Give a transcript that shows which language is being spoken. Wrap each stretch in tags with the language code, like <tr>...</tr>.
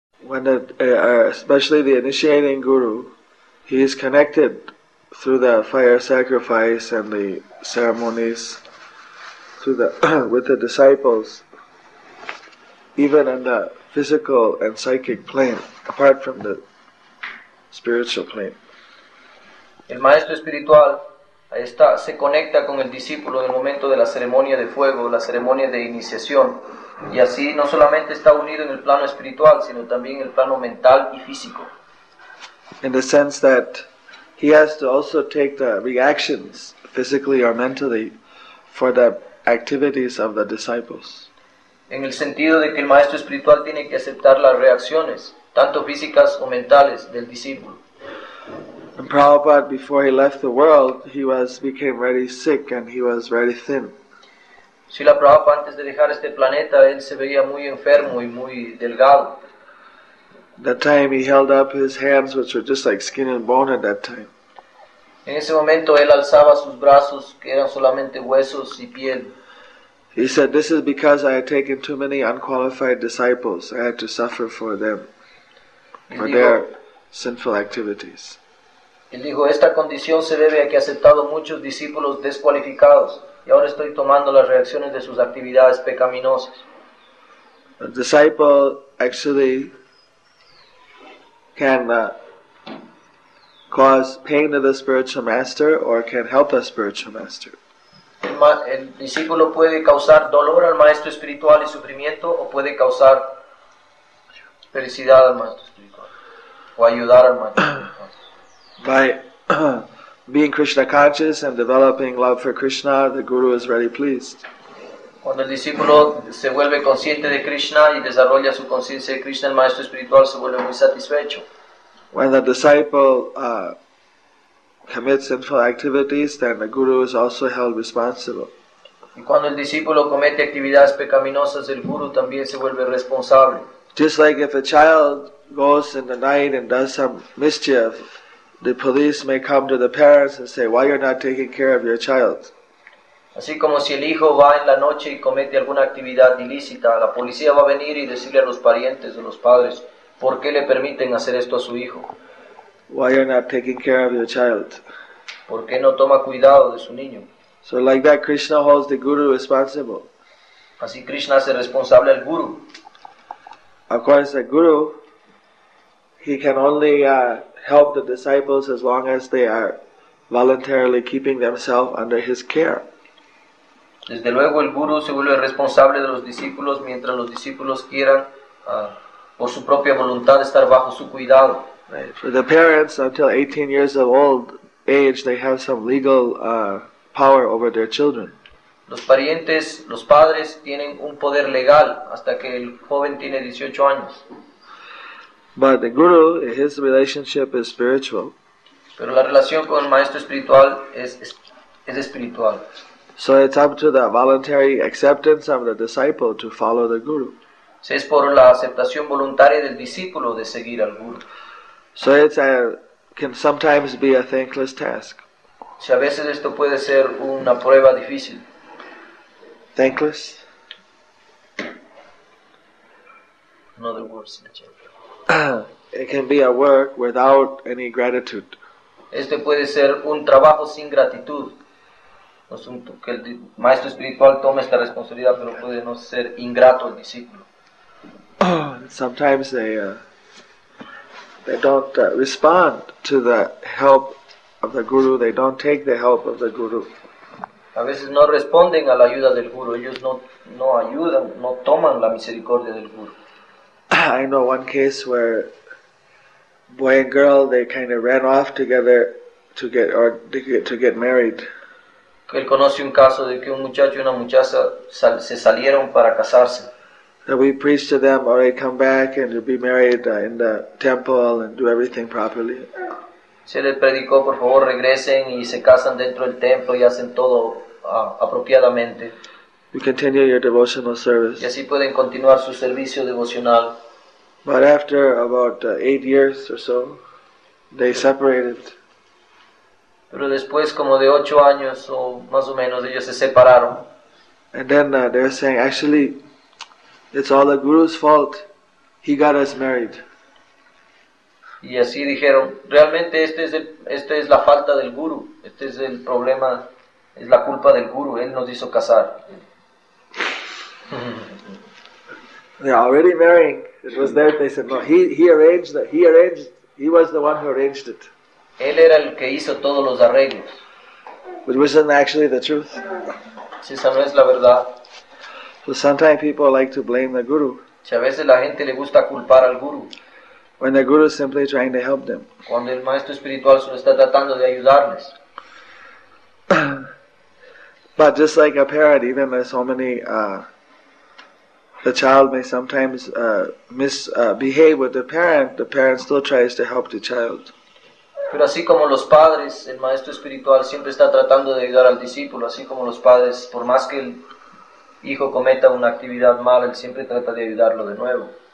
<en>Especially the initiating guru, he is connected through the fire sacrifice and the ceremonies through the with the disciples, even in the physical and psychic plane, apart from the spiritual plane.</en> <es>El maestro espiritual está, se conecta con el discípulo en el momento de la ceremonia de fuego, la ceremonia de iniciación. Y así no solamente está unido en el plano espiritual, sino también en el plano mental y físico.</es> <en>In the sense that he has to also take the reactions, physically or mentally, for the activities of the disciples.</en> <es>En el sentido de que el maestro espiritual tiene que aceptar las reacciones, tanto físicas o mentales, del discípulo.</es> <en>And Prabhupada, before he left the world, he became very sick and he was very thin.</en> <es>Srila Prabhupada antes de dejar este planeta, él se veía muy enfermo y muy delgado.</es> <en>That time he held up his hands, which were just like skin and bone at that time.</en> <es>En ese momento él alzaba sus brazos, que eran solamente huesos y piel.</es> <en>He said, "This is because I had taken too many unqualified disciples. I had to suffer for them, for their sinful activities."</en> <es>Él dijo, "Esta condición se debe a que he aceptado muchos discípulos descualificados. Y ahora estoy tomando las reacciones de sus actividades pecaminosas."</es> <en>The disciple actually can cause pain to the spiritual master or can help the spiritual master.</en> <es>El discípulo puede causar dolor al maestro espiritual y sufrimiento, o puede causar felicidad al maestro espiritual, o ayudar al maestro espiritual.</es> <en>Being Krishna conscious and developing love for Krishna, the Guru is very pleased.</en> <es>Cuando el discípulo se vuelve consciente de Krishna y desarrolla su conciencia de Krishna, el maestro espiritual se vuelve muy satisfecho.</es> <en>When the disciple commits sinful activities, then the Guru is also held responsible.</en> <es>Y cuando el discípulo comete actividades pecaminosas, el Guru también se vuelve responsable.</es> <en>Just like if a child goes in the night and does some mischief, the police may come to the parents and say, "Why are you not taking care of your child?"</en> <es>Así como si el hijo va en la noche y comete alguna actividad ilícita, la policía va a venir y decirle a los parientes o los padres, "¿Por qué le permiten hacer esto a su hijo?"</es> <en>Why are you not taking care of your child?</en> <es>¿Por qué no toma cuidado de su niño?</es> <en>So like that, Krishna holds the guru responsible.</en> <es>Así Krishna hace responsable al guru.</es> <en>Of course, the guru, he can only help the disciples as long as they are voluntarily keeping themselves under his care.</en> <es>Desde luego el guru se vuelve responsable de los discípulos mientras los discípulos quieran por su propia voluntad estar bajo su cuidado.</es> <en>Right. For the parents, until 18 years of old age, they have some legal power over their children.</en> <es>Los parientes, los padres tienen un poder legal hasta que el joven tiene 18 años.</es> <en>But the guru, his relationship is spiritual.</en> <es>Pero la relación con el maestro espiritual es espiritual.</es> <en>So it's up to the voluntary acceptance of the disciple to follow the guru.</en> <es>Es por la aceptación voluntaria del discípulo de seguir al guru.</es> <en>So it can sometimes be a thankless task.</en> <es>Si a veces esto puede ser una prueba difícil.</es> <en>Thankless? Another word, Sanchez. It can be a work without any gratitude.</en> <es>Este puede ser un trabajo sin gratitud. Que el maestro espiritual tome esta responsabilidad, pero puede no ser ingrato el discípulo.</es> <en>Sometimes they don't respond to the help of the guru, they don't take the help of the guru.</en> <es>A veces no responden a la ayuda del guru, ellos no ayudan, no toman la misericordia del guru.</es> <en>I know one case where boy and girl, they kind of ran off together to get married.</en> <es>Él conoce un caso de que un muchacho y una muchacha se salieron para casarse.</es> <en>That we preach to them, all right, come back and you'll be married in the temple and do everything properly.</en> <es>Se les predicó, por favor, regresen y se casan dentro del templo y hacen todo apropiadamente.</es> <en>You continue your devotional service.</en> <es>Y así pueden continuar su servicio devocional.</es> <en>But after about 8 years or so, they separated.</en> <es>Pero después, como de 8 años o más o menos, ellos se separaron.</es> <en>And then they're saying, actually, it's all the guru's fault. He got us married.</en> <es>Y así dijeron, realmente este es la falta del guru. Este es el problema, es la culpa del guru. Él nos hizo casar.</es> <en>They're already marrying. It was there. They said, no, he arranged. He was the one who arranged it.</en> <es>Él era el que hizo todos los arreglos.</es> <en>Which wasn't actually the truth.</en> <es>Sí, esa no es la verdad.</es> <en>So sometimes people like to blame the guru.</en> <es>Si a veces la gente le gusta culpar al guru.</es> <en>When the guru is simply trying to help them.</en> <es>Cuando el maestro espiritual solo está tratando de ayudarles.</es> <en>But just like a parent, even there's so many, the child may sometimes misbehave with the parent still tries to help the child.</en> <es>Pero así como los padres, el maestro espiritual siempre está tratando de ayudar al discípulo, así como los padres, por más que el hijo cometa una actividad mala, él siempre trata de ayudarlo de nuevo.</es>